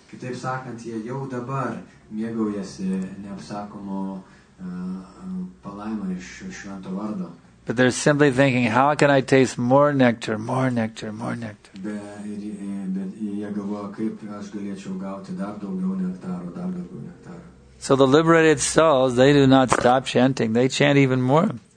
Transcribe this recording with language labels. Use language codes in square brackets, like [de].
[lt] Kitaip sakant, jie jau dabar mėgaujasi neapsakomo palaimą iš švento vardo. [en] But they're simply thinking, how can I taste more nectar, more nectar, more nectar? [lt] Bet jie galvoja, kaip aš galėčiau gauti dar daugiau nektaro, dar daugiau nektaro. [en] So the liberated souls, they do not stop chanting, they chant even more.